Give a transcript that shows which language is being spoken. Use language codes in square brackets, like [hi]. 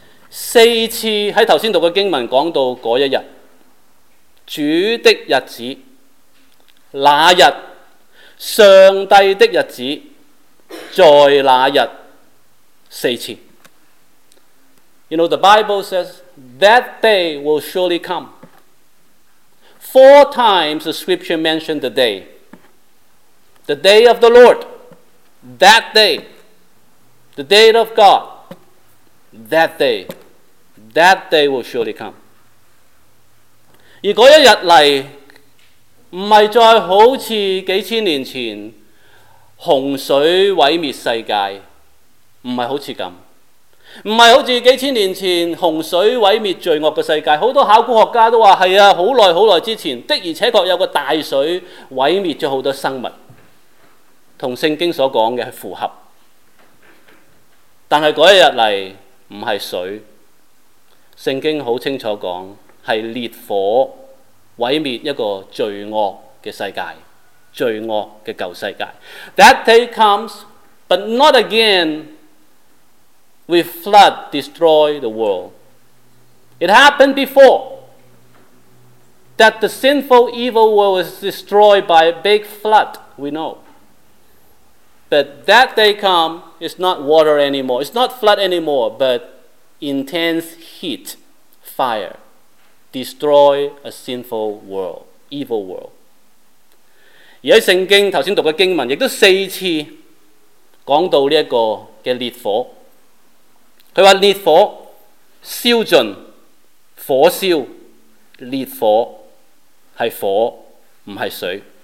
[zh] 四次在头先读的经文讲到那一日，主的日子，那日，上帝的日子，在那日，四次。 [en] You know, the Bible says, that day will surely come. Four times the scripture mentioned the day. The day of the Lord, that day. The day of God, that day. That day will surely come. [zh] 而那一日来，不是再好像几千年前洪水毁灭世界，不是好像这样，不是好像几千年前洪水毁灭罪恶的世界。很多考古学家都说，是啊，很久很久之前的而且确有个大水毁灭了很多生物，跟圣经所讲的是符合。但是那一日来不是水，圣经很清楚说是烈火毁灭一个罪恶的世界，罪恶的旧世界。 [en] That day comes, but not again will flood destroy the world. It happened before that the sinful evil world was destroyed by a big flood, we know. But that day come, it's not water anymore, it's not flood anymore, but intense heat, fire, destroy a sinful world, evil world. [zh] 而在聖經剛才讀的經文亦都四次講到這個的烈火，他說烈火燒盡，火燒，烈火是火不是水。